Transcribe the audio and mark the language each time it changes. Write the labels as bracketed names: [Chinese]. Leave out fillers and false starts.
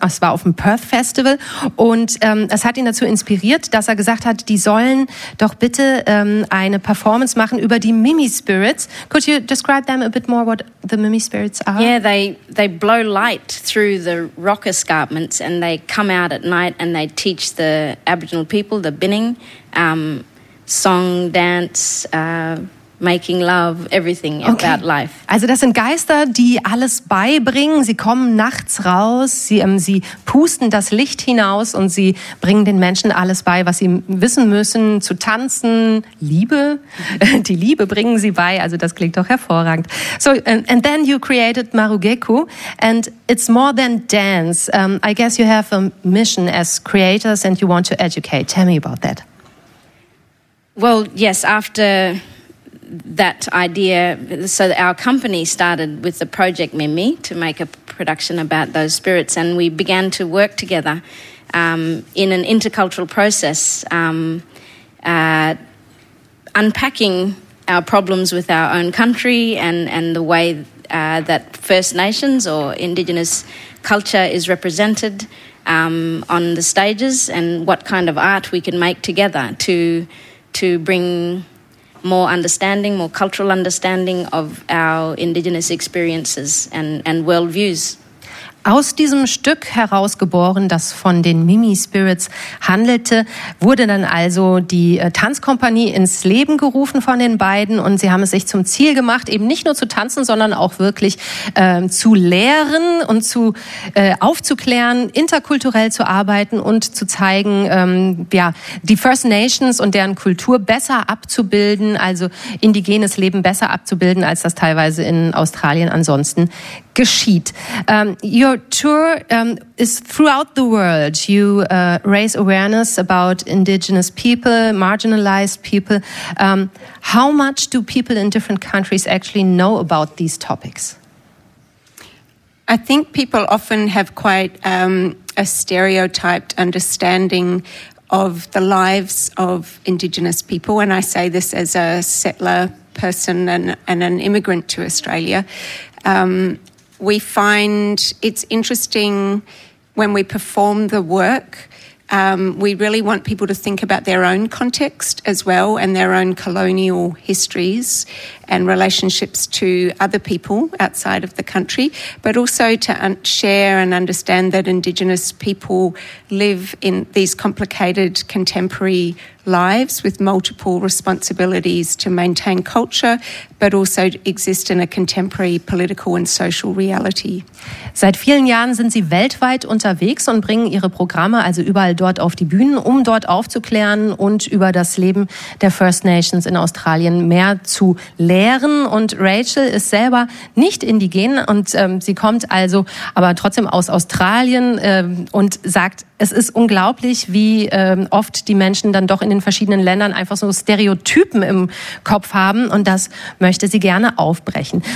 [German] Es war auf dem Perth Festival. Und es hat ihn dazu inspiriert, dass er gesagt hat, die sollen doch bitte eine Performance machen über die Mimi Spirits. [English] Could you describe them a bit more, what the Mimi Spirits are? Yeah, they blow light through the rock escarpments, and they come out at night and they teach the Aboriginal people the binning, song, dance, making love, everything okay. about life. [German] Also das sind Geister, die alles beibringen. Sie kommen nachts raus, sie pusten das Licht hinaus und sie bringen den Menschen alles bei, was sie wissen müssen, zu tanzen, Liebe. Die Liebe bringen sie bei, also das klingt doch hervorragend. [English] So, and then you created Marogeku, and it's more than dance. I guess you have a mission as creators and you want to educate. Tell me about that. Well, yes, after that idea, so our company started with the project Mimi to make a production about those spirits, and we began to work together in an intercultural process, unpacking our problems with our own country and the way that First Nations or Indigenous culture is represented on the stages, and what kind of art we can make together to bring more understanding, more cultural understanding of our indigenous experiences and worldviews. [German] Aus diesem Stück herausgeboren, das von den Mimi Spirits handelte, wurde dann also die Tanzkompanie ins Leben gerufen von den beiden, und sie haben es sich zum Ziel gemacht, eben nicht nur zu tanzen, sondern auch wirklich zu lehren und zu aufzuklären, interkulturell zu arbeiten und zu zeigen, die First Nations und deren Kultur besser abzubilden, also indigenes Leben besser abzubilden, als das teilweise in Australien ansonsten geschieht. [English] Your tour is throughout the world. You raise awareness about indigenous people, marginalized people. How much do people in different countries actually know about these topics? I think people often have quite a stereotyped understanding of the lives of indigenous people. And I say this as a settler person and an immigrant to Australia. we find it's interesting when we perform the work, we really want people to think about their own context as well and their own colonial histories and relationships to other people outside of the country, but also to share and understand that Indigenous people live in these complicated contemporary lives with multiple responsibilities to maintain culture, but also exist in a contemporary political and social reality. [German] Seit vielen Jahren sind sie weltweit unterwegs und bringen ihre Programme also überall dort auf die Bühnen, um dort aufzuklären und über das Leben der First Nations in Australien mehr zu lehren. Und Rachel ist selber nicht indigen und sie kommt also aber trotzdem aus Australien und sagt, es ist unglaublich, wie oft die Menschen dann doch in den verschiedenen Ländern einfach so Stereotypen im Kopf haben, und das möchte sie gerne aufbrechen.